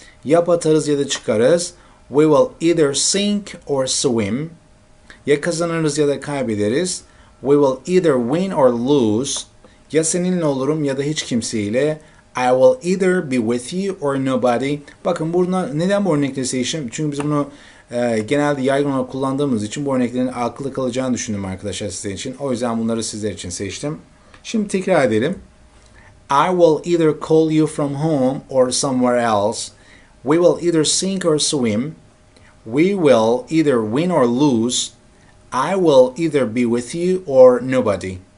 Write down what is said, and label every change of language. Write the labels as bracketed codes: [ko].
[tr] Ya batarız ya da çıkarız. [en] We will either sink or swim. [tr] Ya kazanırız ya da kaybederiz. [en] We will either win or lose. [tr] Ya seninle olurum ya da hiç kimseyle. [en] I will either be with you or nobody. [tr] Bakın buruna, neden bu örnekleri seçtim? Çünkü biz bunu genelde yaygın olarak kullandığımız için bu örneklerin akılda kalacağını düşündüm arkadaşlar sizin için. O yüzden bunları sizler için seçtim. Şimdi tekrar edelim. [en] I will either call you from home or somewhere else. We will either sink or swim. We will either win or lose. I will either be with you or nobody.